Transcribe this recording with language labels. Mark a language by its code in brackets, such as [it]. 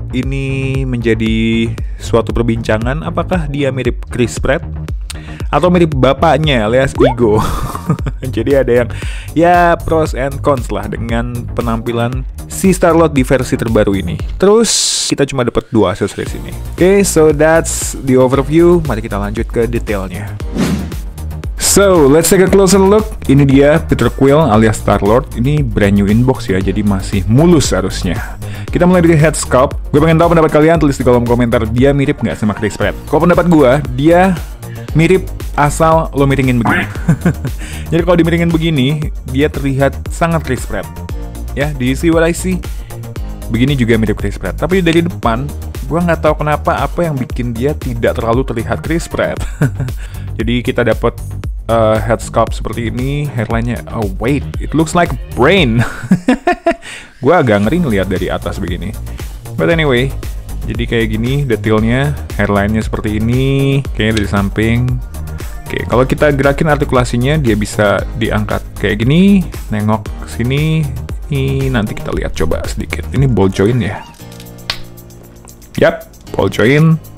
[id] Ini menjadi suatu perbincangan, apakah dia mirip Chris Pratt atau mirip bapaknya alias Ego. Jadi ada yang ya pros and cons lah dengan penampilan si Star-Lord di versi terbaru ini. Terus kita cuma dapat 2 aksesoris ini. Oke, [en] so that's the overview. [id] Mari kita lanjut ke detailnya. [en] So, let's take a closer look. [id] Ini dia Peter Quill alias Star-Lord. Ini brand new inbox ya, jadi masih mulus harusnya. Kita mulai dari head sculpt. Gue pengen tahu pendapat kalian, tulis di kolom komentar. Dia mirip nggak sama Chris Pratt? Kalau pendapat gue, dia mirip asal lo miringin begini. Jadi kalau dimiringin begini, dia terlihat sangat Chris Pratt. Ya, [en] do you see what I see? [id] Begini juga mirip Chris Pratt. Tapi dari depan, gue nggak tahu kenapa apa yang bikin dia tidak terlalu terlihat Chris Pratt. Jadi kita dapat head sculpt seperti ini, hairline-nya. [en] Oh wait, it looks like brain. [id] Gue agak ngeri ngeliat dari atas begini. [en] But anyway, [id] jadi kayak gini detailnya, hairline-nya seperti ini, kayaknya dari samping. Oke, kalau kita gerakin artikulasinya, dia bisa diangkat kayak gini, nengok sini. Ini nanti kita lihat coba sedikit. Ini ball joint ya. Yap, ball joint.